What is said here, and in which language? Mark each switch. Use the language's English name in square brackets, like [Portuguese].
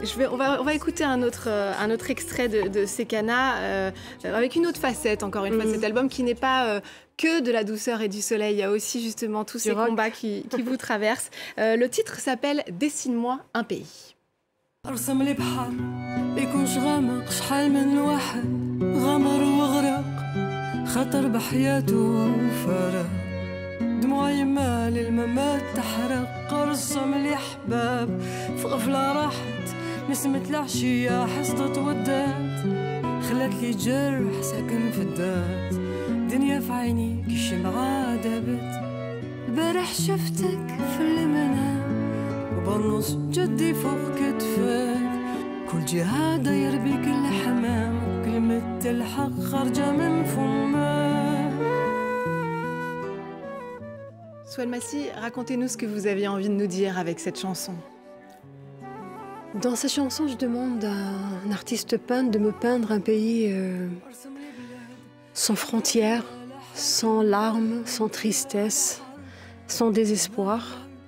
[French] On va écouter un autre extrait de C'est Cana, avec une autre facette, encore une fois, de cet album, qui n'est pas que de la douceur et du soleil. Il y a aussi justement tous ces combats qui vous traversent. Le titre s'appelle « Dessine-moi un pays ». [Arabic] ارسم لي بحر يكون شغامق شحال من واحد غمر وغرق خطر بحياته وفرق دموعي مال الممات تحرق ارسم لي احباب في غفلة راحت نسمة العشية حصدت ودات خلت لي جرح ساكن في الدات دنيا في عيني كشمعة دابت البارح شفتك في المنام وبالنص جدي فوق كتفك كل جهاد يربي كل حمام كلمة الحق خرجة من فمك [French] Swann Massy, racontez-nous ce que vous aviez envie de nous dire avec cette chanson. Dans cette chanson, je demande à un artiste peintre de me peindre un pays sans frontières, sans larmes, sans tristesse, sans désespoir.